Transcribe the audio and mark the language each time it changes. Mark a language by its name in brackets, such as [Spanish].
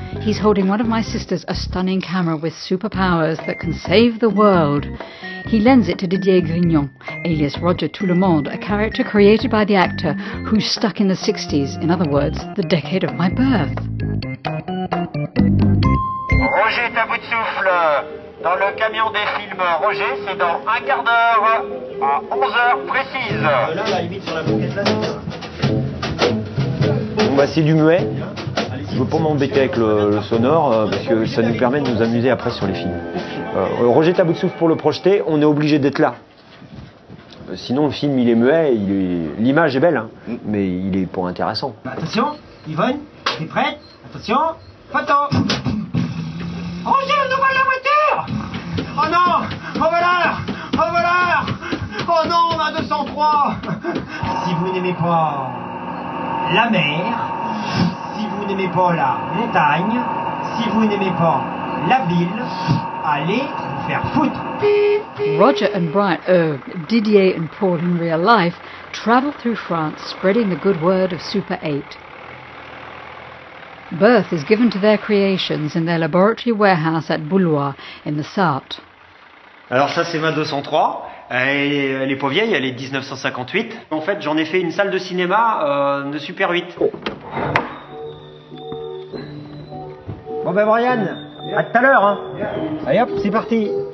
[English] He's holding one of my sisters, a stunning camera with superpowers that can save the world. He lends it to Didier Grignon, alias Roger Tout Le Monde, a character created by the actor who's stuck in the 60s, in other words, the decade of my birth. [French] Roger est à bout de souffle. Dans le camion des films, Roger, c'est dans un quart d'heure, à 11h précise. Bah c'est du muet. Je veux pas m'embêter avec le sonore parce que ça nous permet de nous amuser après sur les films. Roger t'as bout de souffle pour le projeter, on est obligé d'être là. Sinon le film il est muet, l'image est belle, hein, mais il est pas intéressant. Attention, Yvonne, t'es prêt? Attention, photo. Roger, on envoie la voiture. Oh non, oh voleur, oh voleur. Oh non, on a 203. Si vous n'aimez pas la mer, si vous n'aimez pas la montagne, si vous n'aimez pas la ville, allez vous faire foutre. [English] Roger and Brian, Didier and Paul in real life, travel through France spreading the good word of Super 8. Birth is given to their creations in their laboratory warehouse at Boulois in the Sarthe. [French] Alors ça c'est 2203, elle est pas vieille, elle est 1958. En fait j'en ai fait une salle de cinéma de Super 8. Bon ben Brian, à tout à l'heure hein. Allez hop, c'est parti.